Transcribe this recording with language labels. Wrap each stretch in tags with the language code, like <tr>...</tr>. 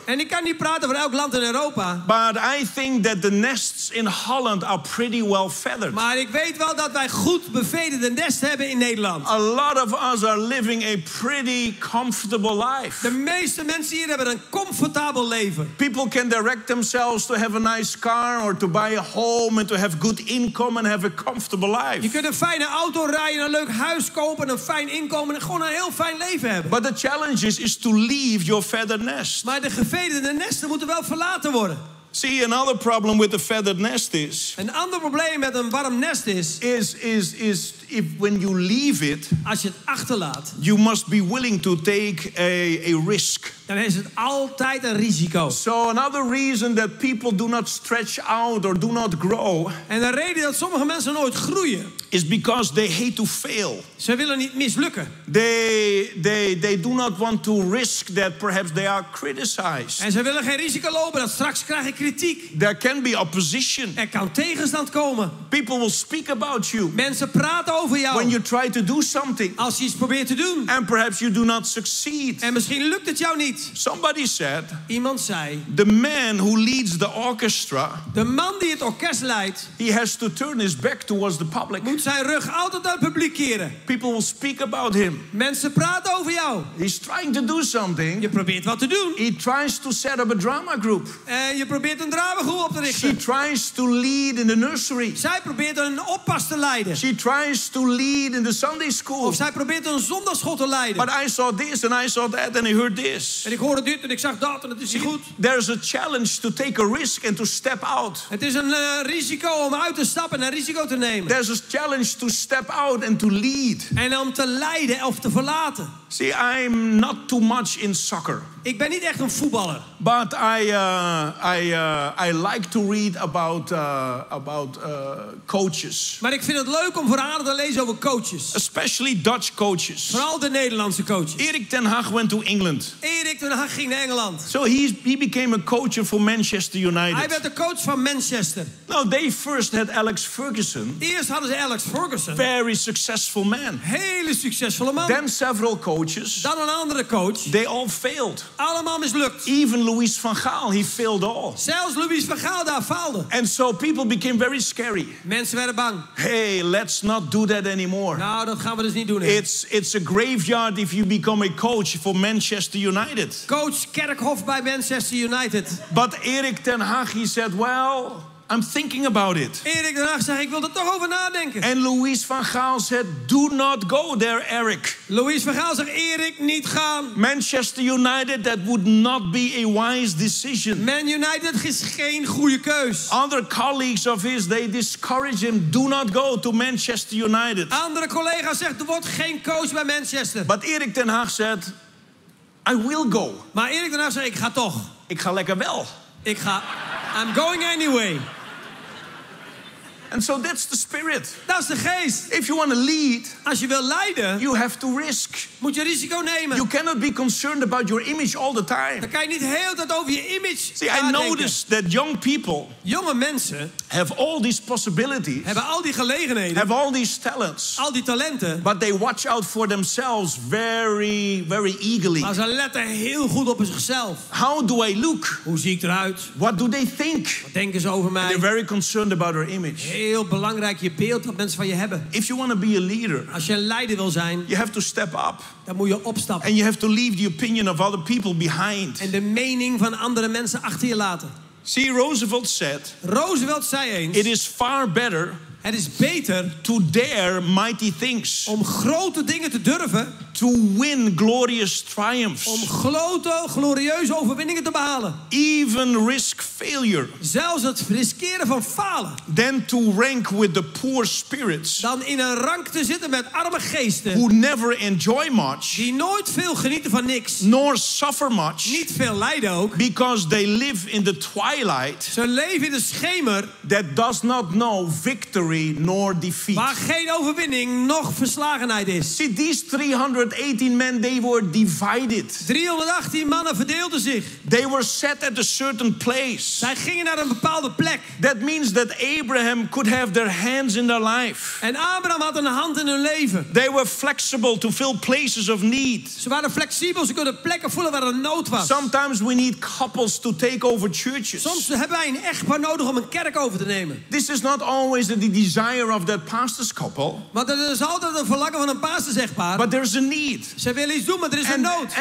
<nl>En ik kan niet praten voor elk land in Europa.</nl> <en>But I think that the nests in Holland are pretty well feathered.</en> <nl>Maar ik weet wel dat wij goed bevederde nesten hebben in Nederland.</nl> <en>A lot of us are living a pretty comfortable life.</en> <nl>De meeste mensen hier hebben een comfortabel leven.</nl> <en>People can direct themselves to have a nice car or to buy a home and to have good income and have a comfortable life.</en> <nl>Je kunt een fijne auto rijden, een leuk huis kopen, een fijn inkomen en gewoon een heel fijn leven hebben.</nl> <en>But the challenge is to leave your feathered nest.</en> <nl>Maar de gevederde nesten moeten wel verlaten worden.</nl> <en>See, another problem with the feathered nest is.</en> <nl>Een ander probleem met een warm nest is.</nl> <en>Is if when you leave it.</en> <nl>Als je het achterlaat.</nl> <en>You must be willing to take a risk.</en> <nl>Dan is het altijd een risico.</nl> <en>So another reason that people do not stretch out or do not grow.</en> <nl>En de reden dat sommige mensen nooit groeien.</nl> <en>Is because they hate to fail.</en> <nl>Ze willen niet mislukken.</nl> <en>They do not want to risk that perhaps they are criticized.</en> <nl>En ze willen geen risico lopen dat straks krijg ik kritiek.</nl> <en>There can be opposition.</en> <nl>Er kan tegenstand komen.</nl> <en>People will speak about you.</en> <nl>Mensen praten over jou.</nl> <en>When you try to do something.</en> <nl>Als je iets probeert te doen.</nl> <en>And perhaps you do not succeed.</en> <nl>En misschien lukt het jou niet.</nl> <en>Somebody said.</en> <nl>Iemand zei.</nl> <en>The man who leads the orchestra.</en> <nl>De man die het orkest leidt.</nl> <en>He has to turn his back towards the public.</en> <nl>Moet zijn rug altijd aan het publiek keren.</nl> <en>People will speak about him.</en> <nl>Mensen praten over jou.</nl> <en>He's trying to do something.</en> <nl>Je probeert wat te doen.</nl> <en>He tries to set up a drama group.</en> <nl>En je probeert een dramagroep op te richten.</nl> <en>She tries to lead in the nursery.</en> <nl>Zij probeert een oppas te leiden.</nl> <en>She tries to lead in the Sunday school.</en> <nl>Of zij probeert een zondagschool te leiden.</nl> <en>But I saw this and I saw that and I heard this.</en> <nl>En ik hoorde dit en ik zag dat en het is goed.</nl> <en>There is a challenge to take a risk and to step out.</en> <nl>Het is een risico om uit te stappen en een risico te nemen.</nl> <en>There's a challenge to step out and to lead.</en> <nl>En om te leiden of te verlaten.</nl> <en>See, I'm not too much in soccer.</en> <nl>Ik ben niet echt een voetballer.</nl> <en>But I like to read about coaches.</en> <nl>Maar ik vind het leuk om verhalen te lezen over coaches.</nl> <en>Especially Dutch coaches.</en> <nl>Vooral de Nederlandse coaches.</nl> <en>Erik ten Hag went to England.</en> <nl>Erik ten Hag ging naar Engeland.</nl> <en>So he became a coach for Manchester United.</en> <nl>Hij werd de coach van Manchester.</nl> <en>Now they first had Alex Ferguson.</en> <nl>Eerst hadden ze Alex Ferguson.</nl> <en>Very successful man.</en> <nl>Hele succesvolle man.</nl> <en>Then several coaches.</en> <nl>Dan een andere coach.</nl> <en>They all failed.</en> <nl>Allemaal mislukt.</nl> <en>Even Louis van Gaal, he failed all.</en> <nl>Zelfs Louis van Gaal daar faalde.</nl> <en>And so people became very scary.</en> <nl>Mensen werden bang.</nl> <en>Hey, let's not do that anymore.</en> <nl>Nou, dat gaan we dus niet doen.</nl> <en>It's a graveyard if you become a coach for Manchester United.</en> <nl>Coach Kerkhof bij Manchester United.</nl> <en>But Erik ten Hag, he said, well, I'm thinking about it.</en> <nl>Erik ten Hag zei, ik wil er toch over nadenken.</nl> <en>And Louis van Gaal said, do not go there, Eric.</en> <nl>Louis van Gaal zegt, Erik, niet gaan.</nl> <en>Manchester United, that would not be a wise decision.</en> <nl>Man United is geen goede keus.</nl> <en>Other colleagues of his, they discourage him, do not go to Manchester United.</en> <nl>Andere collega's zegt, er wordt geen coach bij Manchester.</nl> <en>But Erik ten Hag said, I will go.</en> <nl>Maar Erik ten Hag zegt, ik ga toch. Ik ga lekker wel. Ik ga,</nl> <en>I'm going anyway. And so that's the spirit.</en> <nl>Dat is de geest.</nl> <en>If you want to lead,</en> <nl>als je wil leiden,</nl> <en>you have to risk.</en> <nl>Moet je risico nemen.</nl> <en>You cannot be concerned about your image all the time.</en> <nl>Dan kan je niet heel dat over je image.</nl> <en>See, I noticed that young people,</en> <nl>jonge mensen,</nl> <en>have all these possibilities,</en> <nl>hebben al die gelegenheden,</nl> <en>have all these talents,</en> <nl>al die talenten,</nl> <en>but they watch out for themselves very, very eagerly.</en> <nl>Maar ze letten heel goed op zichzelf.</nl> <en>How do I look?</en> <nl>Hoe zie ik eruit?</nl> <en>What do they think?</en> <nl>Wat denken ze over mij?</nl> <en>And they're very concerned about their image.</en> <nl>Heel belangrijk je beeld dat mensen van je hebben.</nl> <en>If you want to be a leader,</en> <nl>als je een leider wil zijn,</nl> <en>you have to step up.</en> <nl>Dan moet je opstappen.</nl> <en>And you have to leave the opinion of other people behind.</en> <nl>En de mening van andere mensen achter je laten.</nl> <en>See, Roosevelt said.</en> <nl>Roosevelt zei eens.</nl> <en>It is far better.</en> <nl>Het is beter.</nl> <en>To dare mighty things.</en> <nl>Om grote dingen te durven.</nl> <en>To win glorious triumphs.</en> <nl>Om grote, glorieuze overwinningen te behalen.</nl> <en>Even risk failure.</en> <nl>Zelfs het riskeren van falen.</nl> <en>Then to rank with the poor spirits.</en> <nl>Dan in een rank te zitten met arme geesten.</nl> <en>Who never enjoy much.</en> <nl>Die nooit veel genieten van niks.</nl> <en>Nor suffer much.</en> <nl>Niet veel lijden ook.</nl> <en>Because they live in the twilight.</en> <nl>Ze leven in de schemer.</nl> <en>That does not know victory nor defeat.</en> <nl>Waar geen overwinning nog verslagenheid is.</nl> <en>See, these 318 men, they were divided.</en> <nl>318 mannen verdeelden zich.</nl> <en>They were set at a certain place.</en> <nl>Zij gingen naar een bepaalde plek.</nl> <en>That means that Abraham could have their hands in their life.</en> <nl>En Abraham had een hand in hun leven.</nl> <en>They were flexible to fill places of need.</en> <nl>Ze waren flexibel, ze konden plekken vullen waar er nood was.</nl> <en>Sometimes we need couples to take over churches.</en> <nl>Soms hebben wij een echtpaar nodig om een kerk over te nemen.</nl> <en>This is not always the desire of that pastor's couple.</en> <nl>Maar dat is altijd een verlangen van een pastor, zeg maar.</nl> <en>But there's a need.</en> <nl>Ze willen iets doen, maar er is een nood.</nl>